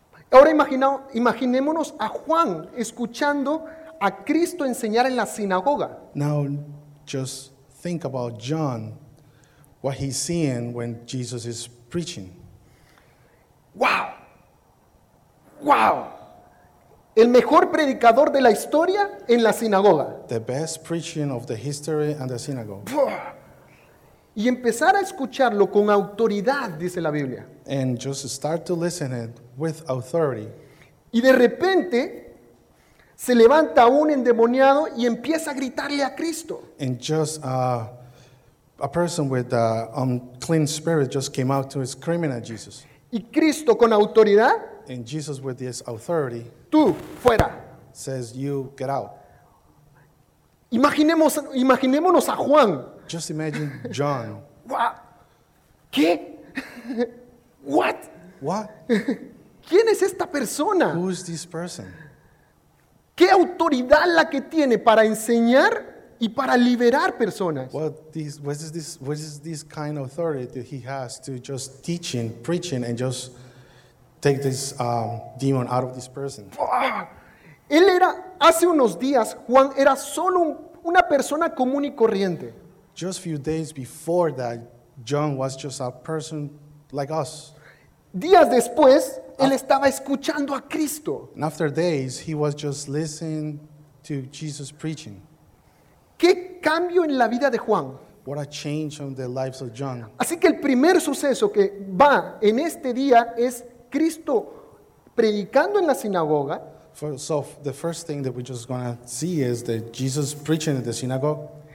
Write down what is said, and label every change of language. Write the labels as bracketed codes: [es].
[es] Ahora imaginémonos a Juan escuchando a Cristo enseñar en la sinagoga. [en] Now just think about John, what he's seeing when Jesus is preaching. Wow, wow. [es] El mejor predicador de la historia en la sinagoga. [en] The best preaching of the history and the synagogue. [es] Y empezar a escucharlo con autoridad, dice la Biblia. [en] And just start to listen it with authority. [es] Y de repente se levanta un endemoniado y empieza a gritarle a Cristo. [en] And just a person with an unclean spirit just came out to scream at Jesus. [es] Y Cristo con autoridad. [en] And Jesus with this authority. [es] Tú, fuera. [en] Says, you get out. [es] Imaginémonos a Juan. [en] Just imagine John. [es] ¿Qué? [en] What? What? [es] ¿Quién es esta persona? [en] Who is this person? [es] ¿Qué autoridad la que tiene para enseñar y para liberar personas? [en] What is this kind of authority that he has to just teaching, preaching, and just take this demon out of this person? [es] Él era, hace unos días, Juan era solo una persona común y corriente. [en] Just a few days before that, John was just a person like us. [es] Días después, él estaba escuchando a Cristo. [en] And after days, he was just listening to Jesus preaching. [es] ¿Qué cambio en la vida de Juan? [en] What a change on the lives of John. [es] Así que el primer suceso que va en este día es Cristo predicando en la sinagoga. [en] So the first thing that we're just going to see is that Jesus preaching in the synagogue.